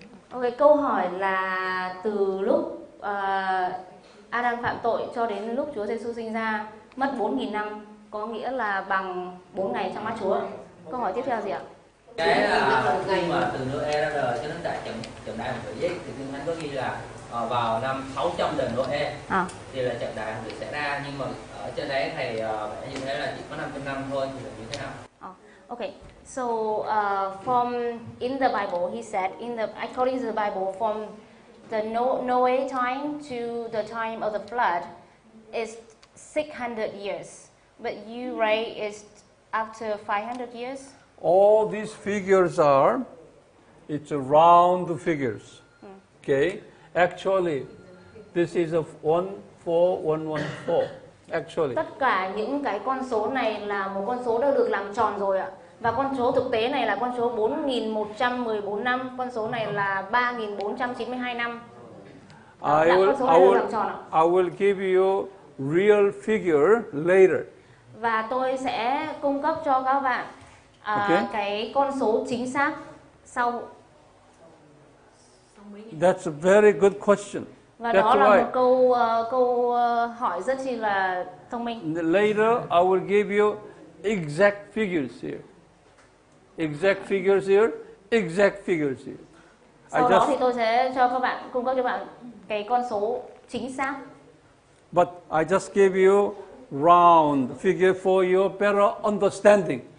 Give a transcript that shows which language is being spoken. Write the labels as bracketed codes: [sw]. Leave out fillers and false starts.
[vi] Okay, câu hỏi là từ lúc Adam phạm tội cho đến lúc Chúa Giêsu sinh ra mất 4.000 năm có nghĩa là bằng 4 ngày trong mắt Chúa. Câu hỏi tiếp theo gì ạ? Cái là khi mà từ Nuoc ra đời cho đến tại trận đại hồng thủy thì Kinh Thánh có ghi là vào năm 600 đời Nuoc thì là trận đại hồng thủy xảy ra, nhưng mà ở trên đấy thầy vẽ như thế là chỉ có 500 năm thôi thì là như thế nào? [en] Okay. So from in the Bible, he said in the according to the Bible, from the Noah time to the time of the flood is 600 years. But you write is after 500 years. All these figures are, it's round figures. Hmm. Okay, actually, this is a 1414. Actually, [vi] tất cả những cái con số này là một con số đã được làm tròn rồi ạ. Và con số thực tế này là con số 4.114 năm. Con số này là 3.492 năm. [en] I will give you real figure later. [vi] Và tôi sẽ cung cấp cho các bạn cái con số chính xác sau. [en] That's a very good question. [vi] Và [en] that's [vi] đó là [en] why. [vi] Một câu hỏi rất là thông minh. [en] Later, I will give you exact figures here. Exact figures here. [vi] Sau đó thì tôi sẽ cho các bạn cung cấp cho bạn cái con số chính xác. [en] But I just gave you round figure for your better understanding.